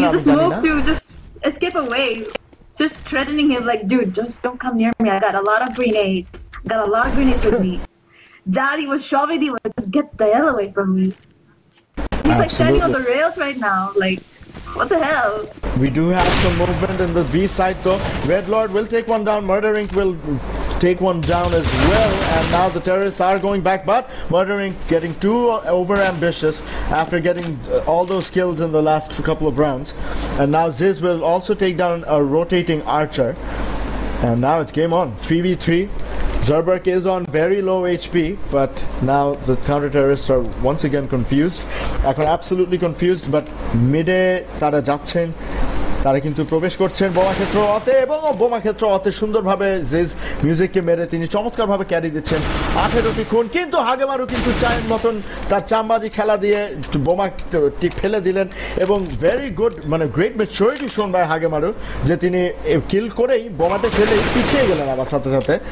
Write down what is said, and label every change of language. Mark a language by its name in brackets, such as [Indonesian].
[Bangla] না জানি না [English] To just escape away just threatening him like dude just don't come near me I got a lot of grenades got a lot of grenades with me Jerry was shoving the was just get the hell away from me he's like standing on the rails right now like What the hell? We do have some movement in the B side though. Red Lord will take one down. Murder Inc. will take one down as well. And now the terrorists are going back, but murdering getting too overambitious after getting all those kills in the last couple of rounds. And now Ziz will also take down a rotating archer. And now it's game on. 3v3. Zerberk is on very low HP, but now the counter-terrorists are once again confused. Absolutely confused, but [Bangla] mid-e tara jacchen. তারা কিন্তু প্রবেশ করছেন বোমা ক্ষেত্র অতে, এবং বোমা ক্ষেত্র অতে সুন্দরভাবে জিজ মিউজিককে মেরে তিনি চমৎকারভাবে ক্যারি দিচ্ছেন 18টি খুন। কিন্তু হাগেমারু কিন্তু চায়ের মতন তার চামবাজি খেলা দিয়ে বোমাটি ফেলে দিলেন, এবং [English] very good [Bangla] মানে [English] great maturity shown by [Bangla] হাগেমারু যে তিনি কিল করেই বোমাটা ফেলে পিছিয়ে গেলেন আবার সাথে সাথে।